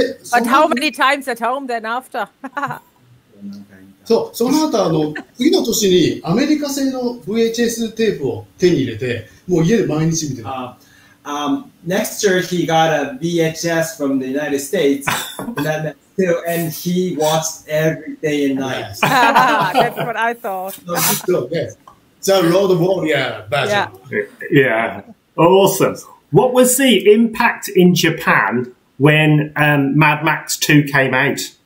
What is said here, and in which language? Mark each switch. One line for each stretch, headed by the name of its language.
English: But how many times at home then after?
Japanese: So, その後次の年にアメリカ製の VHS テープを手に入れて、もう家で毎日見てる。
English: Next year he got a VHS from the United States. And he watched every day and night. Yes. That's what I thought. So Road Warrior version. Yeah. Awesome. What was the impact in Japan when Mad Max 2 came out?